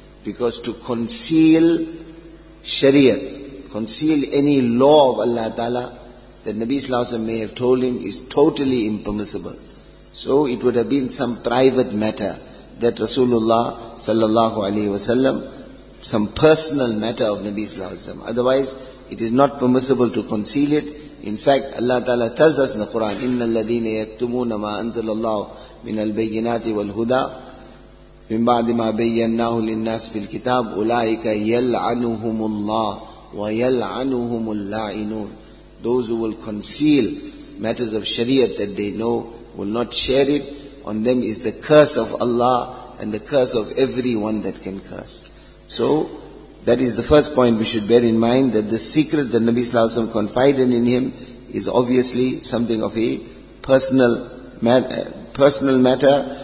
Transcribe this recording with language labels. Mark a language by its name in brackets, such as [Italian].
[English] Because to conceal shariat, conceal any law of Allah Ta'ala that Nabi sallallahu alayhi wa sallam may have told him is totally impermissible. So it would have been some private matter that Rasulullah sallallahu alayhi wa sallam, some personal matter of Nabi sallallahu alayhi wa sallam. Otherwise, it is not permissible to conceal it. In fact, Allah Ta'ala tells us in the Quran, [Arabic] إِنَّ الَّذِينَ يَكْتُمُونَ مَا أَنزَلَ اللَّهُ مِنَ الْبَيِّنَاتِ وَالْهُدَىٰ مِن بَعْدِ مَا بَيَّنَّاهُ لِلنَّاسِ فِي الْكِتَابِ أُولَٰئِكَ يَلْعَنُهُمُ اللَّهُ وَيَلْعَنُهُمُ اللَّاعِنُونَ. [English] Those who will conceal matters of shariat that they know, will not share it, on them is the curse of Allah and the curse of everyone that can curse. So that is the first point we should bear in mind, that the secret that Nabi sallallahu alaihi wasallam confided in him is obviously something of a personal matter.